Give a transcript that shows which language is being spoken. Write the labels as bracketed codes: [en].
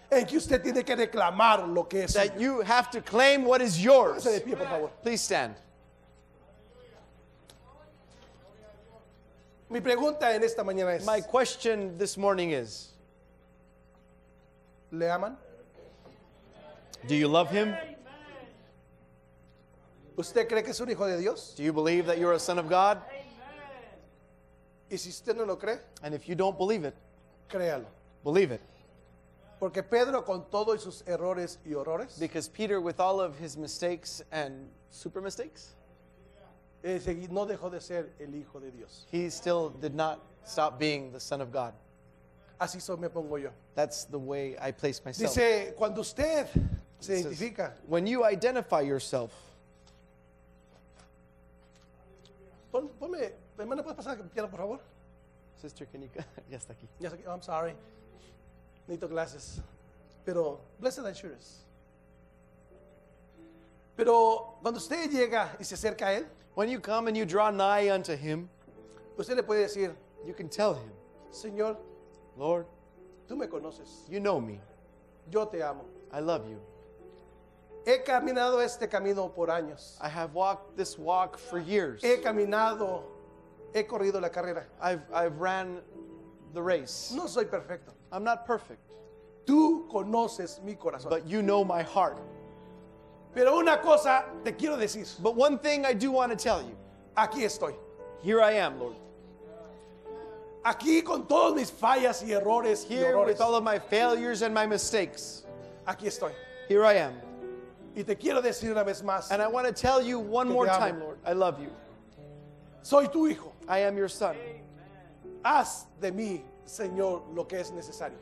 [es] En que usted tiene que reclamar lo que es. [en] That you have to claim what is yours. [es] Pase de pie, por favor. [en] Please stand. [es] Mi pregunta en esta mañana es, [en] my question this morning is, [es] ¿le aman? [en] Do you love him? [es] ¿Usted cree que es un hijo de Dios? [en] Do you believe that you're a son of God? [es] Y si usted no lo cree, [en] and if you don't believe it, [es] créalo. [en] Believe it. [es] Porque Pedro, con todos sus errores y horrores, [en] because Peter, with all of his mistakes and super mistakes, [es] no dejó de ser el hijo de Dios. [en] He still did not stop being the son of God. [es] Así soy, me pongo yo. [en] That's the way I place myself. [es] Dice, cuando usted se identifica, [en] when you identify yourself, [es] ponme, hermana, ¿puedes pasar el piano, por favor? [en] Sister, can you come? [es] Ya está aquí. Ya está aquí. [en] I'm sorry. [es] Necesito clases. Pero, [en] blessed assurance. [es] Pero, cuando usted llega y se acerca a él, [en] when you come and you draw nigh unto him, [es] usted le puede decir, [en] you can tell him, [es] Señor, [en] Lord, [es] tú me conoces. [en] You know me. [es] Yo te amo. [en] I love you. [es] He caminado este camino por años. [en] I have walked this walk for years. [es] He caminado, he corrido la carrera. [en] I've ran the race. [es] No soy perfecto. [en] I'm not perfect. [es] Tú conoces mi corazón. [en] But you know my heart. [es] Pero una cosa te quiero decir. [en] But one thing I do want to tell you. [es] Aquí estoy. [en] Here I am, Lord. [es] Aquí con todas mis fallas y errores. [en] Here with all of my failures and my mistakes. [es] Aquí estoy. [en] Here I am. [es] Y te quiero decir una vez más. [en] And I want to tell you one more time, Lord. I love you. [es] Soy tu hijo. [en] I am your son. Amen. [es] Haz de mí, Señor, lo que es necesario.